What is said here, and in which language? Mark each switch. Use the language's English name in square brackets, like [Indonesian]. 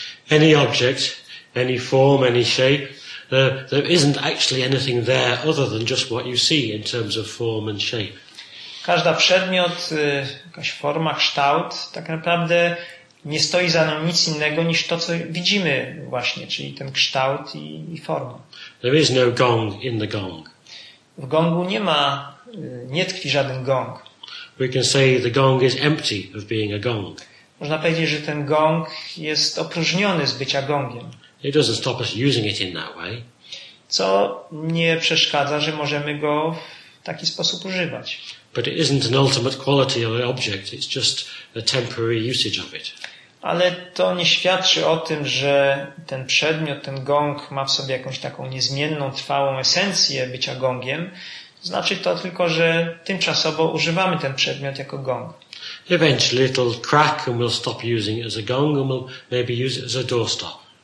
[English] Any object, any form, any shape, there isn't actually anything there other than just what you see in terms of form and shape. [Polish] Każda przedmiot, jakaś forma, kształt, tak naprawdę nie stoi za nim nic innego niż to, co widzimy właśnie, czyli ten kształt i formę. [English] There is no gong in the gong. [Polish] W gongu nie ma, nie tkwi żaden gong. [English] We can say the gong is empty of being a gong. [Polish] Można powiedzieć, że ten gong jest opróżniony z bycia gongiem. [English] It doesn't stop us using it in that way. [Polish] Co nie przeszkadza, że możemy go w taki sposób używać. [English] But it isn't an ultimate quality of an object, it's just a temporary usage of it. [Polish] Ale to nie świadczy o tym, że ten przedmiot, ten gong ma w sobie jakąś taką niezmienną, trwałą esencję bycia gongiem. Znaczy to tylko, że tymczasowo używamy ten przedmiot jako gong. [English] Eventually it'll crack and we'll stop using it as a gong and we'll maybe use it as a doorstop.